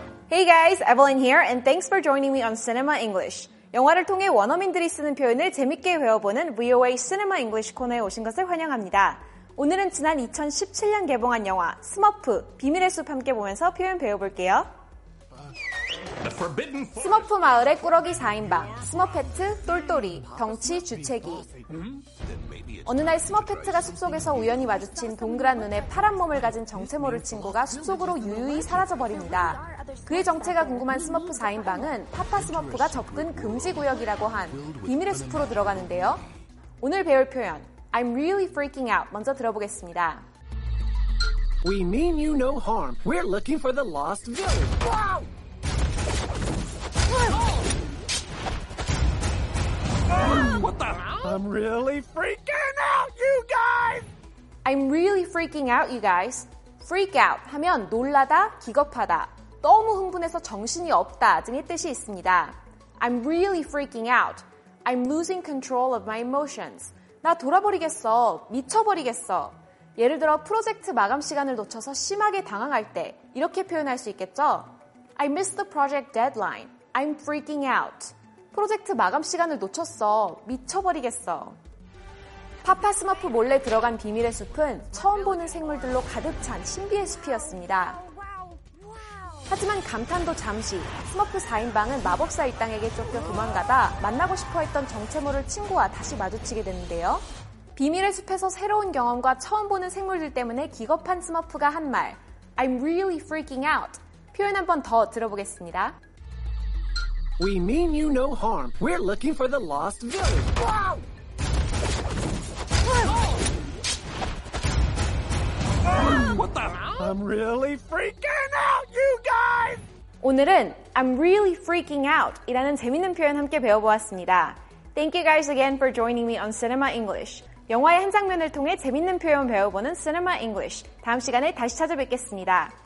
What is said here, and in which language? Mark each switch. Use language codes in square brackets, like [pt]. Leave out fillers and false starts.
[en] Hey guys, Evelyn here, and thanks for joining me on Cinema English. [ko] 영화를 통해 원어민들이 쓰는 표현을 재밌게 배워보는 VOA Cinema English 코너에 오신 것을 환영합니다. 오늘은 지난 2017년 개봉한 영화 스머프, 비밀의 숲 함께 보면서 표현 배워볼게요. 스머프 마을의 꾸러기 4인방, 스머페트, 똘똘이, 덩치, 주채기. 어느 날 스머페트가 숲속에서 우연히 마주친 동그란 눈에 파란 몸을 가진 정체 모를 친구가 숲속으로 유유히 사라져버립니다. 그의 정체가 궁금한 스머프 4인방은 파파 스머프가 접근 금지 구역이라고 한 비밀의 숲으로 들어가는데요. 오늘 배울 표현, [en] I'm really freaking out [ko] 먼저 들어보겠습니다. [en] We mean you no harm. We're looking for the lost village. Wow! 아, I'm really freaking out, you guys! I'm really freaking out, you guys. Freak out [ko] 하면 놀라다, 기겁하다, 너무 흥분해서 정신이 없다 등의 뜻이 있습니다. [en] I'm really freaking out. I'm losing control of my emotions. [ko] 나 돌아버리겠어, 미쳐버리겠어. 예를 들어 프로젝트 마감 시간을 놓쳐서 심하게 당황할 때 이렇게 표현할 수 있겠죠? [en] I missed the project deadline. I'm freaking out. [ko] 프로젝트 마감 시간을 놓쳤어. 미쳐버리겠어. 파파 스머프 몰래 들어간 비밀의 숲은 처음 보는 생물들로 가득 찬 신비의 숲이었습니다. 하지만 감탄도 잠시. 스머프 4인방은 마법사 일당에게 쫓겨 도망가다 만나고 싶어했던 정체 모를 친구와 다시 마주치게 되는데요. 비밀의 숲에서 새로운 경험과 처음 보는 생물들 때문에 기겁한 스머프가 한 말. [en] I'm really freaking out. [ko] 표현 한 번 더 들어보겠습니다. [en] We mean you no harm. We're looking for the lost village. Wow! Oh! What the? I'm really freaking out, you guys! [ko] 오늘은 [en] I'm really freaking out [ko] 이라는 재밌는 표현 함께 배워보았습니다. [en] Thank you guys again for joining me on Cinema English. [ko] 영화의 한 장면을 통해 재밌는 표현 배워보는 Cinema English. 다음 시간에 다시 찾아뵙겠습니다.